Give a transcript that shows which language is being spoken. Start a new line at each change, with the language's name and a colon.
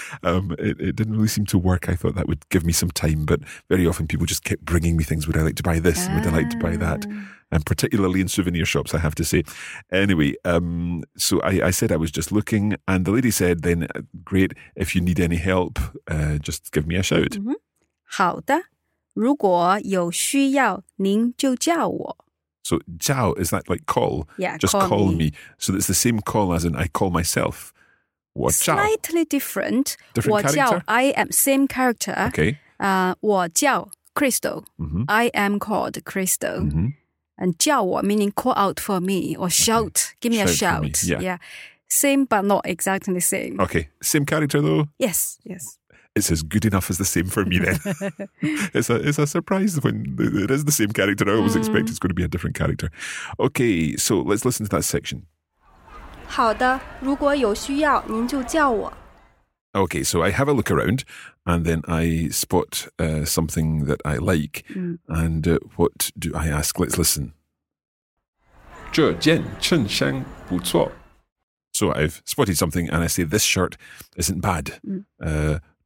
English: It didn't really seem to work. I thought that would give me some time, but very often people just kept bringing me things. Would I like to buy this? Would I like to buy that? And particularly in souvenir shops, I have to say. Anyway, so I said I was just looking, and the lady said then, great, if you need any help, just give me a shout. Mm-hmm.
Chinese: 好的,如果有需要,您就叫我。
English: So, 叫, is that like call? Yeah, just call me. So, it's the same call as in I call myself.
Chinese: 我叫.
English: Slightly different. Different
Chinese: 我叫,
English: character? I am same character. Okay.
Chinese: 我叫, Crystal. Mm-hmm.
English: I am called Crystal. Mm-hmm. And 叫我, meaning call out for me or shout. Okay. Give me shout a shout. Yeah. Yeah. Same, but not exactly the same. Okay. Same character though? Yes, yes. It's as good enough as the same for me then. it's a surprise when it is the same character. I always expect it's going to be a different character. Okay, so let's listen to that section.
Chinese: 好的,如果有需要,您就叫我。
English: Okay, so I have a look around and then I spot something that I like. And what do I ask? Let's listen.
Chinese: 这件衬衫不错。
English: So I've spotted something and I say this shirt isn't bad.